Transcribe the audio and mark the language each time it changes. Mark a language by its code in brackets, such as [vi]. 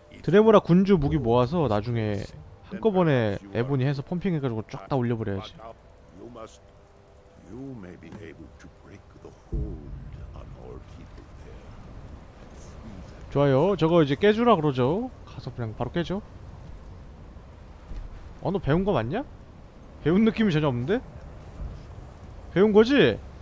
[ko] 드레모라 군주 무기 모아서 나중에 한꺼번에 에보니 해서 펌핑해가지고 쫙 다 올려버려야지. [en] You must. You may be able to break the hold on our people there. [ko] 좋아요. 저거 이제 깨주라 그러죠. 가서 그냥 바로 깨줘. 어, 너 배운 거 맞냐? 배운 느낌이 전혀 없는데? 배운 거지?